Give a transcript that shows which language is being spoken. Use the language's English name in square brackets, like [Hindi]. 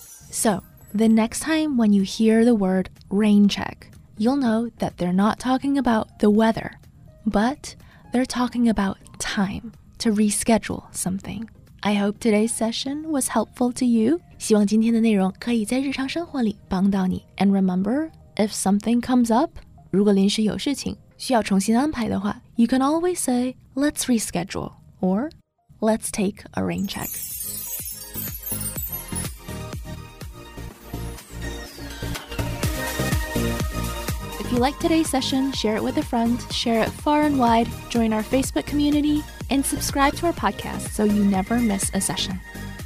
[English] So, the next time when you hear the word rain check, you'll know that they're not talking about the weather, but they're talking about time to reschedule something. I hope today's session was helpful to you. [Chinese] 希望今天的内容可以在日常生活里帮到你。 [English] And remember, if something comes up, [Chinese] 如果临时有事情需要重新安排的话 [English] you can always say, let's reschedule, or let's take a rain check. If you like today's session, share it with a friend, share it far and wide, join our Facebook community,And subscribe to our podcast so you never miss a session.